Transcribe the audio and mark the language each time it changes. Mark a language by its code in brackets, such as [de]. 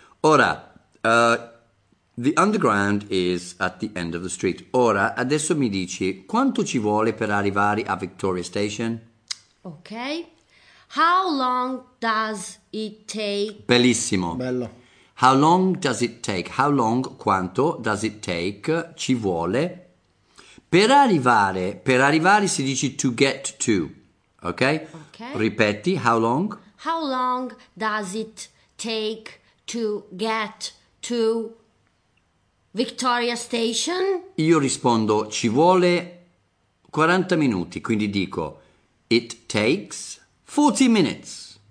[it] Ora, [en] The Underground is at the end of the street. [it] Ora, adesso mi dici, quanto ci vuole per arrivare a Victoria Station? [en] Ok. How long does it take? [it] Bellissimo. Bello. [en] How long does it take? How long, [it] quanto, [en] does it take, [it] ci vuole? Per arrivare si dice [en] to get to, [it] ok? Ok. Ripeti, [en] how long? How long does it take to get to Victoria Station? [it] Io rispondo, ci vuole 40 minuti, quindi dico, [en] it takes 40 minutes.